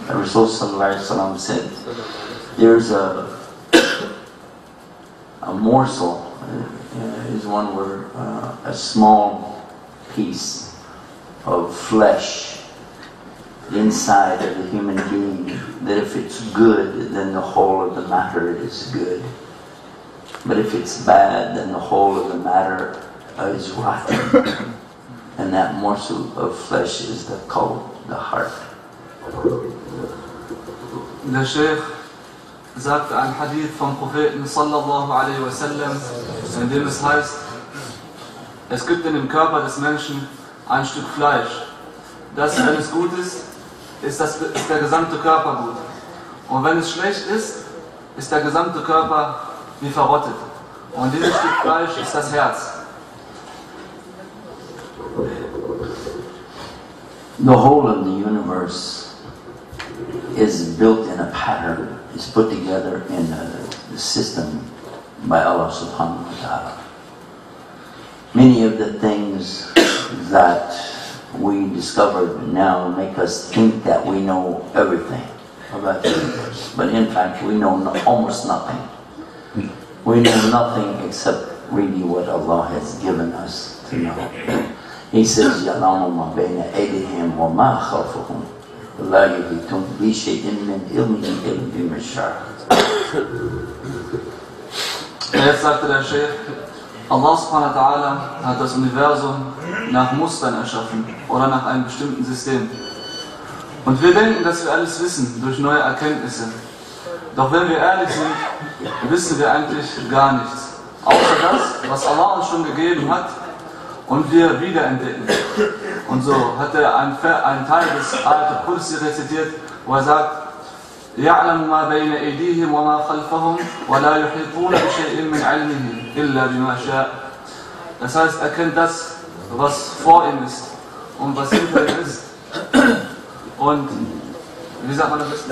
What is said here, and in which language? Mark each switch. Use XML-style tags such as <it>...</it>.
<en>Rasul sallallahu alayhi wa sallam said, there's a morsel, is one word, a small piece of flesh inside of the human being, that if it's good, then the whole of the matter is good. But if it's bad, then the whole of the matter is rotten. And that morsel of flesh is the qalb, the heart.</en> <de>The Shaykh sagte ein Hadith vom Propheten sallallahu alaihi wasallam, in dem es heißt, es gibt in dem Körper des Menschen ein Stück Fleisch. Das, wenn es gut ist, ist der gesamte Körper gut. Und wenn es schlecht ist, ist der gesamte Körper wie verrottet. Und dieses Stück Fleisch ist das Herz.</de> <en>The whole of the universe is built in a pattern, is put together in a system by Allah subhanahu wa ta'ala. Many of the things that we discovered now make us think that we know everything about the universe. But in fact, we know almost nothing. We know nothing except really what Allah has given us to know. He says,</en> <ar>يَعْلَمُ مَا بَيْنَ أَيْدِهِمْ وَمَا خَلْفُهُمْ لَا يُحِيطُونَ بِشَيْءٍ مِنْ عِلْمِهِ إِلَّا بِمَا شَاءَ.</ar> <de>Jetzt sagte der Sheikh, Allah subhanahu wa ta'ala hat das Universum nach Mustern erschaffen oder nach einem bestimmten System. Und wir denken, dass wir alles wissen durch neue Erkenntnisse. Doch wenn wir ehrlich sind, wissen wir eigentlich gar nichts. Außer das, was Allah uns schon gegeben hat und wir wiederentdecken. Und so hat er einen Teil des alten Kurs rezitiert, wo er sagt,</de> <ar>يَعْلَمُ مَا بَيْنَ أَيْدِيهِمْ وَمَا خَلْفَهُمْ وَلَا يُحِيطُونَ بِشَيْءٍ مِنْ عِلْمِهِ إِلَّا بِمَا شَاءَ.</ar> <de>Das heißt, er kennt das, was vor ihm ist und was hinter ihm ist. Und wie sagt man das?</de>